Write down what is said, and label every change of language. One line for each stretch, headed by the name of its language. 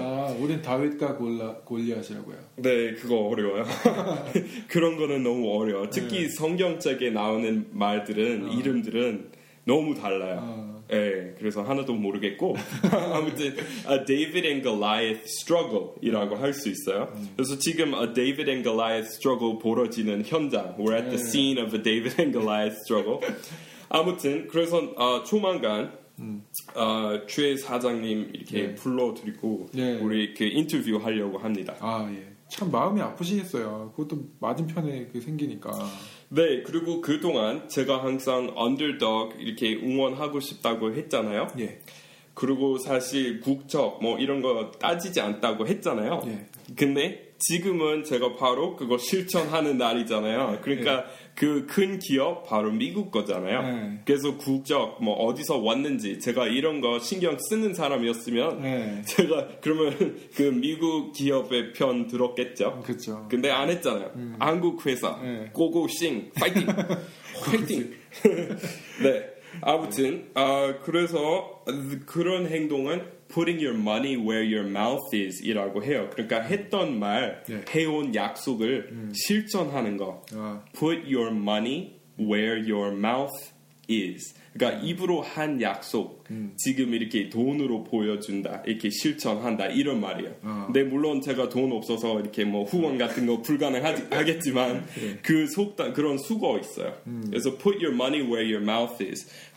Korean: 아, 우린 다윗과 골리앗이라고요. 네, 그거 어려워요. 그런 거는 너무 어려워. 특히 네. 성경책에 나오는 말들은 아. 이름들은 너무 달라요. 아. 네, 그래서 하나도 모르겠고 아무튼
English: A David and Goliath struggle
Korean: 이라고 할 수 있어요. 그래서 지금
English: A David and Goliath struggle
Korean: 벌어지는 현장
English: We're at
Korean: 네.
English: the scene of A David and Goliath struggle
Korean: 아무튼 그래서 조만간 최 사장님 이렇게 네. 불러드리고 네. 우리 그 인터뷰 하려고 합니다. 아, 예. 참 마음이 아프시겠어요. 그것도 맞은편에 그 생기니까 네, 그리고 그동안 제가 항상 언더독 이렇게 응원하고 싶다고 했잖아요. 예. 그리고 사실 국적 뭐 이런 거 따지지 않다고 했잖아요. 예. 근데 지금은 제가 바로 그거 실천하는 날이잖아요. 그러니까 예. 그 큰 기업 바로 미국 거잖아요. 예. 그래서 국적 뭐 어디서 왔는지 제가 이런 거 신경 쓰는 사람이었으면 예. 제가 그러면 그 미국 기업의 편 들었겠죠. 그렇죠. 근데 안 했잖아요. 한국 회사 예. 고고싱 파이팅 파이팅. 네 아무튼 아 그래서 그런 행동은.
English: Putting your money where your mouth is
Korean: 이라고 해요. 그러니까 했던 말, 예. 해온 약속을 실천하는 거. 아.
English: Put your money where your mouth is.
Korean: 그러니까 입으로 한 약속, 지금 이렇게 돈으로 보여준다, 이렇게 실천한다 이런 말이에요. 아. 근데 물론 제가 돈 없어서 이렇게 뭐 후원 같은 거 불가능하겠지만 그 속담 그런 수거 있어요. 그래서
English: put your money where your mouth is.